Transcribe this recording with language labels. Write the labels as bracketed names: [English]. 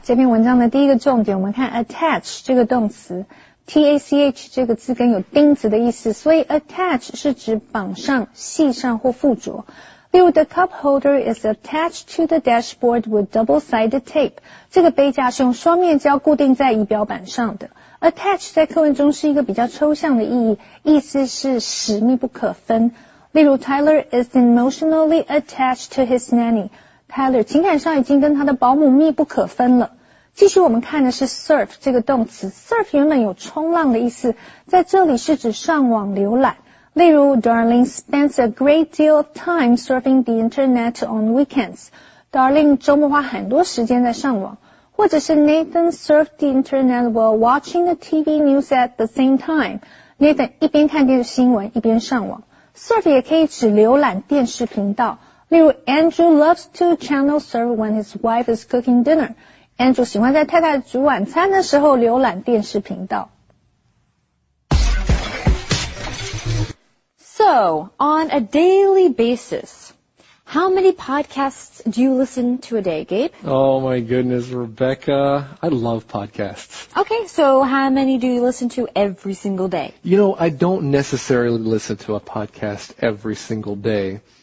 [Chinese] 这篇文章的第一个重点，我们看 attach 这个动词 ，T-A-C-H 这个字根有钉子的意思，所以 attach 是指绑上、系上或附着。例如 [English] ，the cup holder is attached to the dashboard with double-sided tape。 [Chinese] 这个杯架是用双面胶固定在仪表板上的。 attach 在课文中是一个比较抽象的意义，意思是使密不可分。例如 [English] ，Tyler is emotionally attached to his nanny。 [Chinese] Tyler 情感上已经跟他的保姆密不可分了。继续我们看的是 surf 这个动词。 surf 原本有冲浪的意思，在这里是指上网浏览。例如 [English] ,Darling spends a great deal of time surfing the internet on weekends. [Chinese] Darling 周末花很多时间在上网。或者是 [English] Nathan surfed the internet while watching the TV news at the same time. [Chinese] Nathan 一边看电视新闻一边上网。surf 也可以指浏览电视频道。例如 [English] Andrew loves to channel surf when his wife is cooking dinner. [Chinese] Andrew 喜欢在太太煮晚餐的时候浏览电视频道。 [English] So, on a daily basis, how many podcasts do you listen to a day, Gabe? Oh my goodness, Rebecca. I love podcasts. Okay, so how many do you listen to every single day? You know, I don't necessarily listen to a podcast every single day.